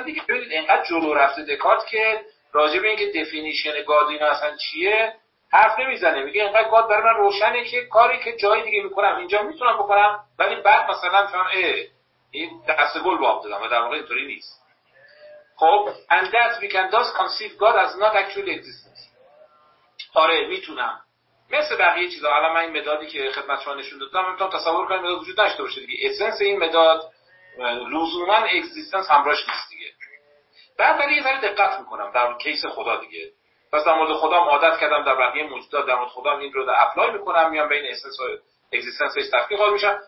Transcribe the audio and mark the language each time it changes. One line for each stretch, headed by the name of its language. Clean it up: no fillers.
Persian: اصلا دیگه ببینید اینقدر جلو رفته دکارت که راجع به اینکه دفینیشن گاد اینا اصلا چیه حرف نمیزنه. میگه اینقدر گاد برای من روشنه که کاری که جای دیگه میکنم اینجا میتونم بکنم، ولی بعد مثلا فهم این دست گل باب دادم و در واقع اینطوری نیست.
English: خب and that we can thus conceive God as not actually existence.
Persian: آره میتونم مثل بقیه چیزا، حالا من این مدادی که خدمت شما نشون دادم میتونم تصور کنم مداد وجود داشته باشه دیگه، اسنس این مداد لزوماً اگزیستنس همراهش نیست دیگه. بعد ولی یه ذره دقت میکنم در کیس خدا دیگه، پس در مورد خدا هم عادت کردم در بقیه موجودات در مورد خدا هم این رو در اپلای میکنم، میام بین اسنس و اگزیستنس هیچ تفکیق آن میشم.